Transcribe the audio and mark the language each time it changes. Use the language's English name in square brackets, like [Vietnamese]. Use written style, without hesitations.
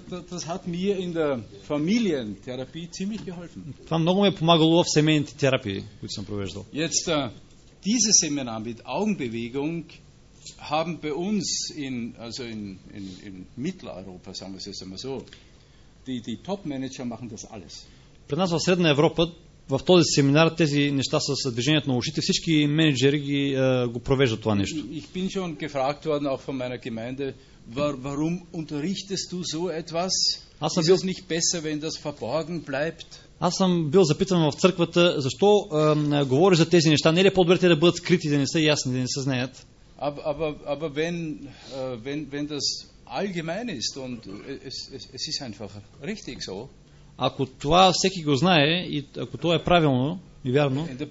[German] Das hat mir in der Familientherapie ziemlich geholfen. [Bulgarian] Това много ми е помагало в семейните терапии, които съм провеждал. [German] Jetzt diese Seminar mit Augenbewegung haben bei uns in also in Mitteleuropa, sagen wir es einmal so, die Top Manager machen das alles. [Bulgarian] При нас в Средна Европа в този семинар тези неща с движението на ушите, всички менеджери ги го провеждат това нещо. [German] Ich bin schon gefragt worden auch von meiner Gemeinde, warum unterrichtest du so etwas? Ist es nicht besser, wenn das verborgen bleibt? [Bulgarian] Аз съм бил запитан в църквата, защо говориш за тези неща, не ли е по-добре те да бъдат скрити, да не са ясни, да не се знаят? [German] Aber wenn das allgemein ist und es ist einfach richtig so. [Bulgarian] Ако това всеки го знае и ако това е правилно и вярно,